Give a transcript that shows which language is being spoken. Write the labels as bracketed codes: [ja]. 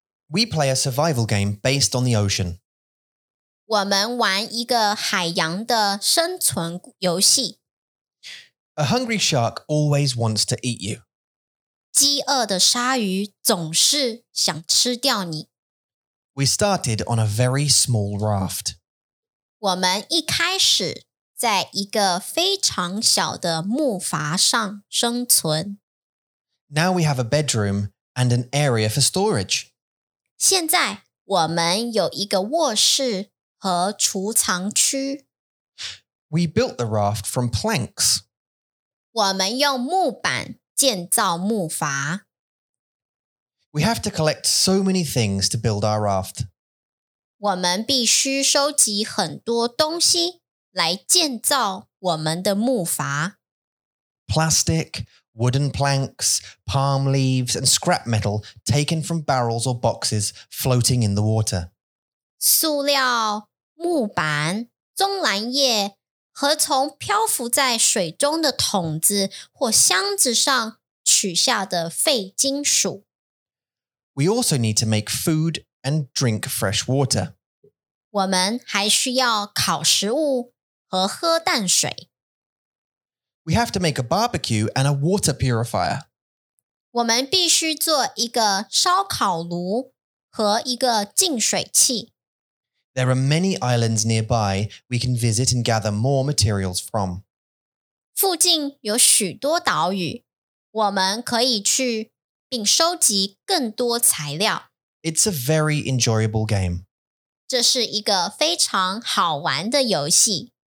[en] We play a survival game based on the ocean. [zh] 我们玩一个海洋的生存游戏。 [en] A hungry shark always wants to eat you. [zh] 饥饿的鲨鱼总是想吃掉你。 [en] We started on a very small raft. [zh] 我们一开始在一个非常小的木筏上生存。 [en] Now we have a bedroom and an area for storage. [zh] 现在我们有一个卧室和储藏区。 [en] We built the raft from planks. [zh] 我们用木板建造木筏。 [en] We have to collect so many things to build our raft. [zh] 我们必须收集很多东西来建造我们的木筏。 [en] Plastic, wooden planks, palm leaves, and scrap metal taken from barrels or boxes floating in the water. [zh] 塑料、木板、棕榈叶和从漂浮在水中的桶子或箱子上取下的废金属。 [en] We also need to make food and drink fresh water. [zh] 我们还需要烤食物和喝淡水。 [en] We have to make a barbecue and a water purifier. [zh] 我们必须做一个烧烤炉和一个净水器。 [en] There are many islands nearby we can visit and gather more materials from. [zh] 附近有许多岛屿，我们可以去并收集更多材料。 [en] It's a very enjoyable game. [zh] 这是一个非常好玩的游戏。